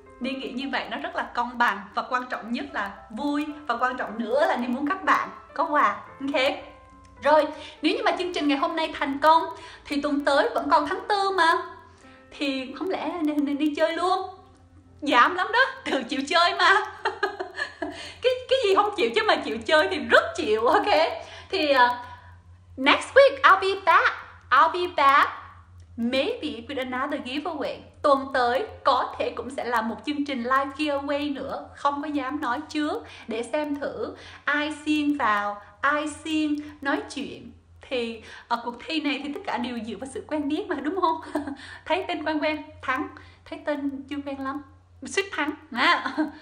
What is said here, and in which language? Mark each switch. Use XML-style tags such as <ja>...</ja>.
<vi>Ni nghĩ như vậy nó rất là công bằng, và quan trọng nhất là vui, và quan trọng nữa là Ni muốn các bạn có quà. Ok. Rồi, nếu như mà chương trình ngày hôm nay thành công thì tuần tới vẫn còn tháng 4 mà, thì không lẽ nên Ni chơi luôn? Giảm lắm đó, thường chịu chơi mà. cái gì không chịu chứ mà chịu chơi thì rất chịu. Ok.</vi> <en>Thì next week I'll be back maybe with another giveaway.</en> <vi>Tuần tới có thể cũng sẽ là một chương trình live giveaway nữa, không có dám nói trước, để xem thử ai xin vào, ai xin nói chuyện. Thì ở cuộc thi này thì tất cả đều dựa vào sự quen biết mà, đúng không? Thấy tên quen thắng, thấy tên chưa quen lắm suýt thắng nha.</vi>